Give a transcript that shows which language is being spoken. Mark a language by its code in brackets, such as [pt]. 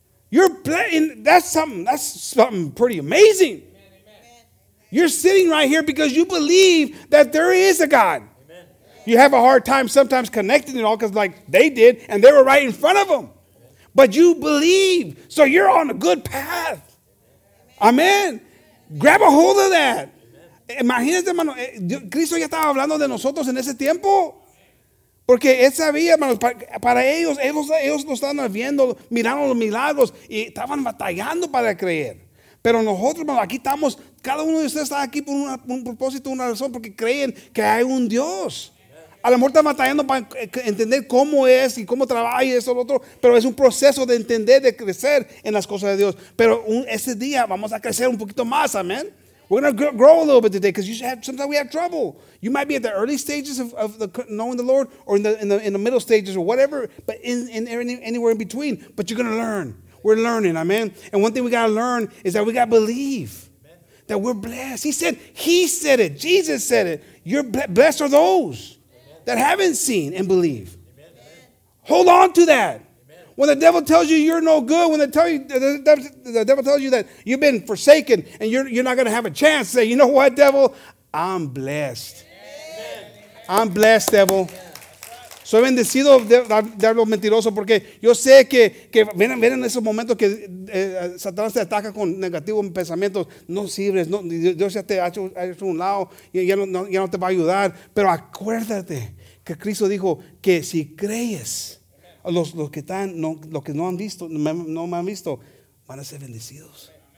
[en] You're blessing. That's something. That's something pretty amazing. Amen. You're sitting right here because you believe that there is a God. Amen. You have a hard time sometimes connecting it all because, like they did, and they were right in front of them. But you believe, so you're on a good path. Amen. Grab a hold of that. [es] Imagínense, hermano, Cristo ya estaba hablando de nosotros en ese tiempo. Porque él sabía, hermano, para ellos, ellos lo estaban viendo, miraron los milagros y estaban batallando para creer. Pero nosotros, hermano, aquí estamos, cada uno de ustedes está aquí por un propósito, una razón, porque creen que hay un Dios. A lo mejor están batallando para entender cómo es y cómo trabaja y eso y lo otro, pero es un proceso de entender, de crecer en las cosas de Dios. Pero ese día vamos a crecer un poquito más, amén. [en] We're going to grow a little bit today because sometimes we have trouble. You might be at the early stages of the knowing the Lord or in the middle stages or whatever, but in anywhere in between. But you're going to learn. We're learning, amen? And one thing we got to learn is that we got to believe that we're blessed. He said it. Jesus said it. You're blessed are those that haven't seen and believe. Hold on to that. When the devil tells you you're no good, when the devil tells you that you've been forsaken and you're not going to have a chance, say, you know what, devil? I'm blessed. Amen. I'm blessed, devil. Amen. [es] Soy bendecido, diablo mentiroso, porque yo sé que ven en esos momentos que Satanás te ataca con negativos pensamientos. No sirves, no, Dios ya te ha hecho un lado, ya no te va a ayudar. Pero acuérdate que Cristo dijo que si crees, los que no me han visto van a ser bendecidos.